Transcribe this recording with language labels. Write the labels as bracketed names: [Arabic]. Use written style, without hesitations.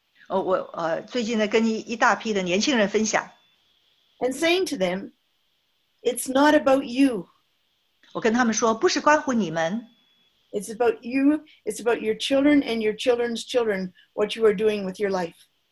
[Chinese] 我最近呢,跟一大批的年轻人分享。 [English] And saying to them, it's not about you. [Chinese] 我跟他们说,不是关乎你们。 [English] It's about you, it's about your children and your children's children, what you are doing with your life.